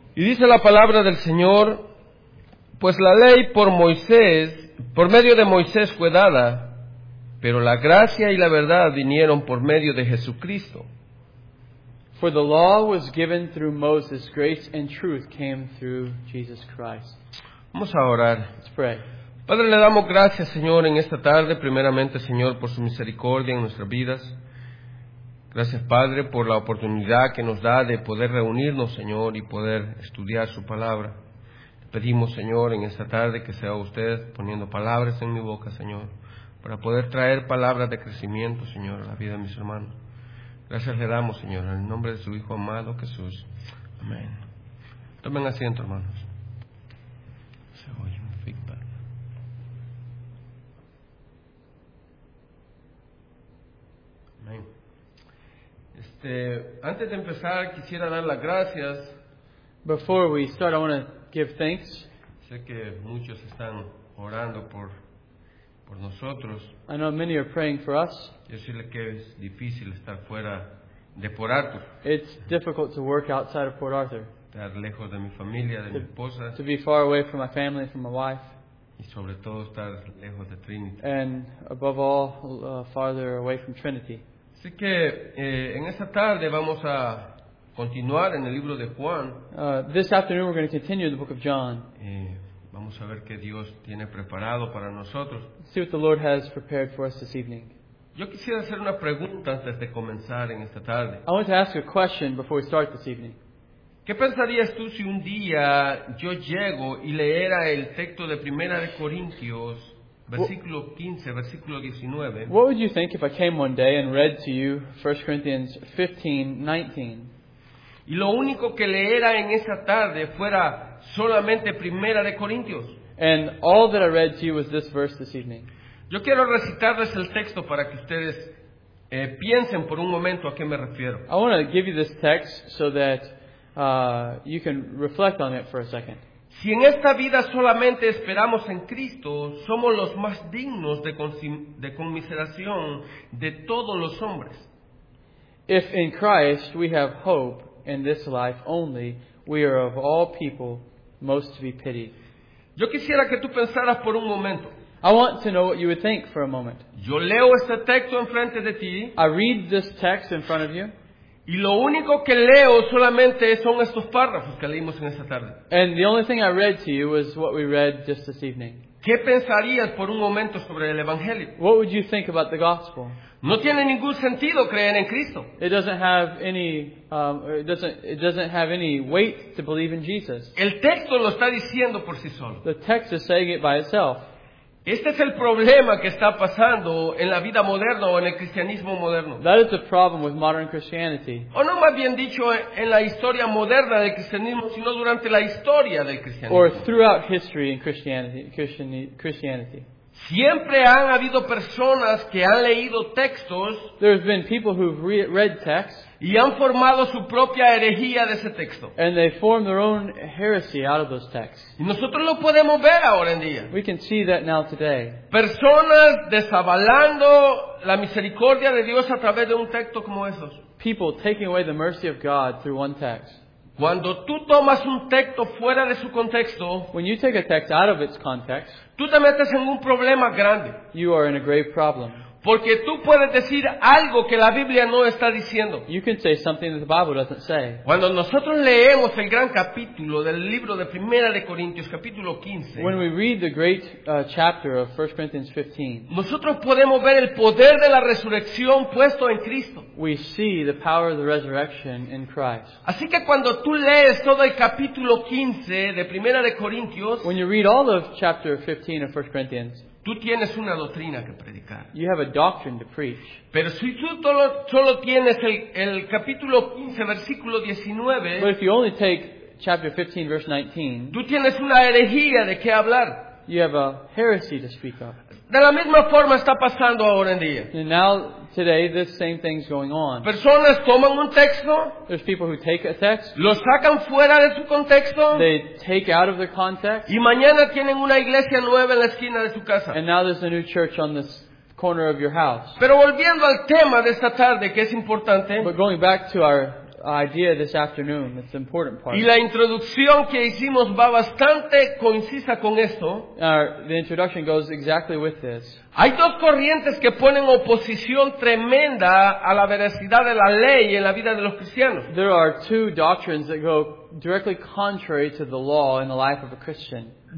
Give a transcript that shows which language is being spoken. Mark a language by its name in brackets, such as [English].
[Spanish] Y dice la palabra del Señor, pues la ley por Moisés, por medio de Moisés fue dada, pero la gracia y la verdad vinieron por medio de Jesucristo. [English] For the law was given through Moses, grace and truth came through Jesus Christ. [Spanish] Vamos a orar. [English] Let's pray. [Spanish] Padre, le damos gracias, Señor, en esta tarde, primeramente, Señor, por su misericordia en nuestras vidas. Gracias, Padre, por la oportunidad que nos da de poder reunirnos, Señor, y poder estudiar su palabra. Te pedimos, Señor, en esta tarde que sea usted poniendo palabras en mi boca, Señor, para poder traer palabras de crecimiento, Señor, a la vida de mis hermanos. Gracias le damos, Señor, en el nombre de su Hijo amado, Jesús. Amén. Tomen asiento, hermanos. Se oye un feedback. Amén. Antes de empezar, quisiera dar las gracias. [English] Before we start, I want to give thanks. [Spanish] Sé que muchos están orando por nosotros. [English] I know many are praying for us. [Spanish] Yo sé que es difícil estar fuera de Port Arthur. [English] It's difficult to work outside of Port Arthur. [Spanish] Estar lejos de mi familia, de mi esposa. [English] To be far away from my family, from my wife. [Spanish] Y sobre todo estar lejos de Trinity. [English] And above all, farther away from Trinity. [Spanish] Así que en esta tarde vamos a continuar en el libro de Juan. [English] This afternoon we're going to continue the book of John. [Spanish] Vamos a ver qué Dios tiene preparado para nosotros. [English] See what the Lord has prepared for us this evening. [Spanish] Yo quisiera hacer una pregunta antes de comenzar en esta tarde. [English] I want to ask a question before we start this evening. [Spanish] ¿Qué pensarías tú si un día yo llego y leera el texto de Primera de Corintios? Versículo 15, versículo 19. [English] What would you think if I came one day and read to you 1 Corinthians 15, 19? [Spanish] Y lo único que leera en esa tarde fuera solamente Primera de Corintios. [English] And all that I read to you was this verse this evening. [Spanish] Yo quiero recitarles el texto para que ustedes piensen por un momento a qué me refiero. [English] I want to give you this text so that you can reflect on it for a second. [Spanish] Si en esta vida solamente esperamos en Cristo, somos los más dignos de conmiseración de todos los hombres. [English] If in Christ we have hope in this life only, we are of all people most to be pitied. [Spanish] Yo quisiera que tú pensaras por un momento. [English] I want to know what you would think for a moment. [Spanish] Yo leo este texto enfrente de ti. [English] I read this text in front of you. [Spanish] Y lo único que leo solamente son estos párrafos que leímos en esta tarde. [English] And the only thing I read to you was what we read just this evening. [Spanish] ¿Qué pensarías por un momento sobre el Evangelio? [English] What would you think about the gospel? [Spanish] No tiene ningún sentido creer en Cristo. [English] It doesn't have any weight to believe in Jesus. [Spanish] El texto lo está diciendo por sí solo. [English] The text is saying it by itself. [Spanish] Este es el problema que está pasando en la vida moderna o en el cristianismo moderno. [English] That is the problem with modern Christianity. [Spanish] O no más bien dicho, en la historia moderna del cristianismo, sino durante la historia del cristianismo. [English] Or throughout history in Christianity. [Spanish] Siempre han habido personas que han leído textos. [English] There have been people who've read texts. [Spanish] Y han formado su propia herejía de ese texto. [English] And they form their own heresy out of those texts. [Spanish] Y nosotros lo podemos ver ahora en día. [English] We can see that now today. [Spanish] Personas desavalando la misericordia de Dios a través de un texto como esos. [English] People taking away the mercy of God through one text. [Spanish] Cuando tú tomas un texto fuera de su contexto, [English] when you take a text out of its context, [Spanish] tú te metes en un problema grande. [English] You are in a grave problem. [Spanish] Porque tú puedes decir algo que la Biblia no está diciendo. [English] You can say something that the Bible doesn't say. [Spanish] Cuando nosotros leemos el gran capítulo del libro de Primera de Corintios, capítulo 15, [English] when we read the great chapter of 1 Corinthians 15, [Spanish] nosotros podemos ver el poder de la resurrección puesto en Cristo. [English] We see the power of the resurrection in Christ. [Spanish] Así que cuando tú lees todo el capítulo 15 de Primera de Corintios, [English] when you read all of chapter 15 of 1 Corinthians, [Spanish] tú tienes una doctrina que predicar. [English] You have a doctrine to preach. [Spanish] Pero si tú solo tienes el capítulo 15, versículo 19, [English] but if you only take chapter 15, verse 19, [Spanish] tú tienes una herejía de qué hablar. [English] you have a heresy to speak of. [Spanish] De la misma forma está pasando ahora en día. [English] And now, today, this same thing's going on. [Spanish] Personas toman un texto. [English] There's people who take a text. [Spanish] Lo sacan fuera de su contexto. [English] They take out of their context. [Spanish] Y mañana tienen una iglesia nueva en la esquina de su casa. [English] And now there's a new church on this corner of your house. [Spanish] Pero volviendo al tema de esta tarde, que es importante. [English] But going back to our idea this afternoon, it's the important part. [Spanish] Y la introducción que hicimos va bastante coincida con esto. [English] The introduction goes exactly with this. [Spanish] Hay dos corrientes que ponen oposición tremenda a la veracidad de la ley en la vida de los cristianos. [English] There are two doctrines that go directly contrary to the law in the life of a Christian.